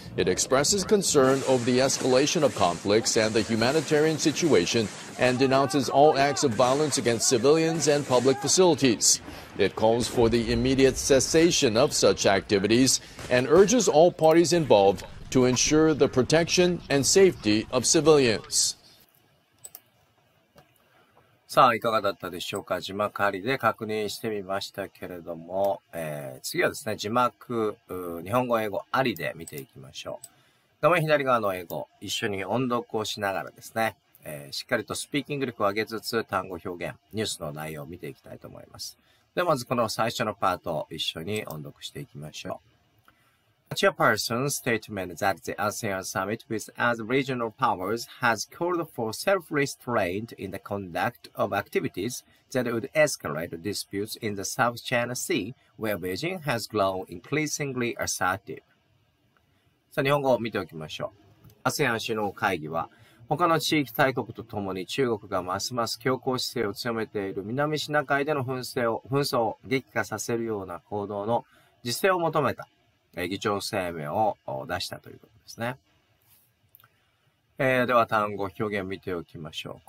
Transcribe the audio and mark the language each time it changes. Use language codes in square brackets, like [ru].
[en] It expresses concern over the escalation of conflicts and the humanitarian situation and denounces all acts of violence against civilians and public facilities. It calls for the immediate cessation of such activities and urges all parties involved to ensure the protection and safety of civilians. [ja] さあ、いかがだったでしょうか。字幕ありで確認してみましたけれども、次はですね、字幕、日本語英語ありで見ていきましょう。画面左側の英語、一緒に音読をしながらですね、しっかりとスピーキング力を上げつつ、単語表現、ニュースの内容を見ていきたいと思います。ではまずこの最初のパートを一緒に音読していきましょう。 [en] A chairperson's statement that the ASEAN summit with other regional powers has called for self-restraint in the conduct of activities that would escalate disputes in the South China Sea, where Beijing has grown increasingly assertive. [ja] さあ、日本語を見ておきましょう。ASEAN 首脳会議は、他の地域大国とともに中国がますます強硬姿勢を強めている南シナ海での紛争を激化させるような行動の自制を求めた。議長声明を出したということですね。では単語表現見ておきましょう。